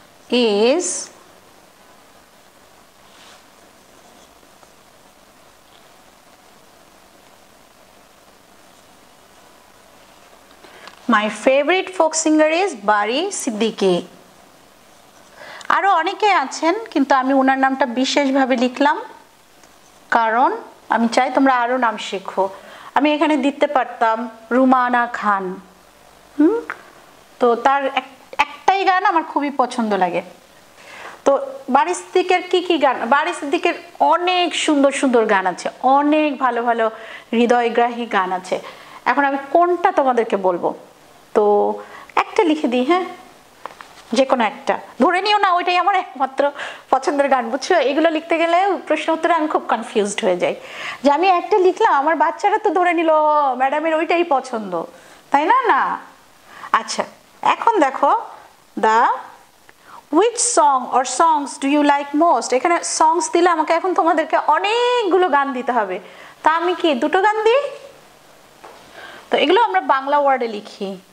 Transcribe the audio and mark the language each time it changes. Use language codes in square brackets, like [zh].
[en] is my favorite folk singer is Bari Siddiqui. [bn] আরো অনেকে আছেন কিন্তু আমি ওনার নামটা বিশেষভাবে লিখলাম, কারণ আমি চাই তোমরা আরো নাম শিখো। আমি এখানে দিতে পারতাম রুমানা খান, তো তার একটাই গান আমার খুবই পছন্দ লাগে, তো বারি সিদ্দিকের কি কি গান, বারি সিদ্দিকের অনেক সুন্দর সুন্দর গান আছে, অনেক ভালো ভালো হৃদয়গ্রাহী গান আছে, এখন আমি কোনটা তোমাদেরকে বলবো, তো একটা লিখে দিই, হ্যাঁ যে কোনো একটা, ধরে নিও না ওইটাই আমার একমাত্র পছন্দের গান, বুঝছো? এগুলো লিখতে গেলে প্রশ্ন উত্তরে আমি খুব কনফিউজড হয়ে যাই, যে আমি একটা লিখলাম আমার বাচ্চারা তো ধরে নিল ম্যাডামের ওইটাই পছন্দ, তাই না? না, আচ্ছা এখন দেখো, দা [en] Which song or songs do you like most? [bn] এখানে songs দিলে আমাকে এখন তোমাদেরকে অনেকগুলো গান দিতে হবে। তা আমি কি দুটো গান দিই? তো এগুলো আমরা বাংলা ওয়ার্ডে লিখি।